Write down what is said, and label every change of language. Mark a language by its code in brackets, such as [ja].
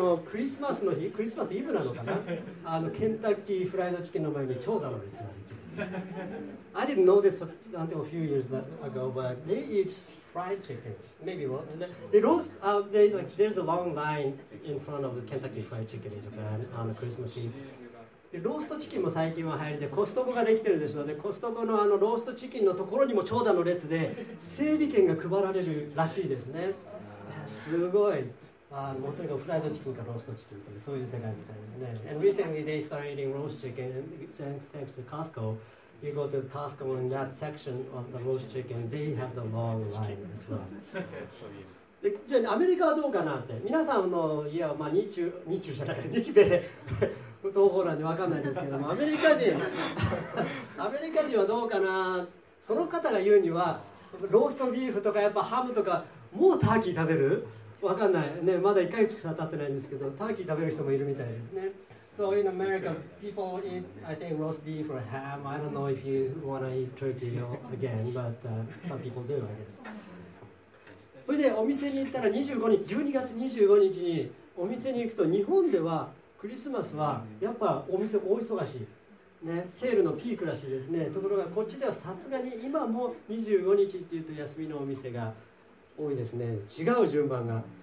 [ja] クリスマスの日、クリスマスイブなのかな、あのケンタッキーフライドチキンの前に長蛇の列ができる。 [en] I didn't know this until a few years ago, but they eat fried chicken. Maybe what? They roast. They like there's a long line in front of the Kentucky Fried Chicken in Japan on Christmas Eve. [ja] でローストチキンも最近は流行りで、コストコができてるでしょ。でコストコ の, あのローストチキンのところにも長蛇の列で整理券が配られるらしいですね。すごい。もとにかくフライドチキンかローストチキンという、そういう世界みたいですね。 [en] And recently they started eating roast chicken, thanks to Costco. You go to Costco in that section of the roast chicken, they have the long line as well. [ja] でじゃあアメリカはどうかなって、皆さんの家は、まあ、日中じゃない、日米東方なんで分かんないですけども、アメリカ人はどうかな。その方が言うには、ローストビーフとかやっぱハムとか、もうターキー食べる、分かんないね、まだ1ヶ月しか経ってないんですけど、ターキー食べる人もいるみたいですね。 [en] So in America, people eat, I think, roast beef or ham. I don't know if you want to eat turkey again, but some people do, I guess. [ja] それでお店に行ったら、12月25日にお店に行くと、日本ではクリスマスはやっぱお店大忙しい、ね、セールのピークらしいですね。ところがこっちではさすがに今も25日っていうと休みのお店が多いですね。違う順番が。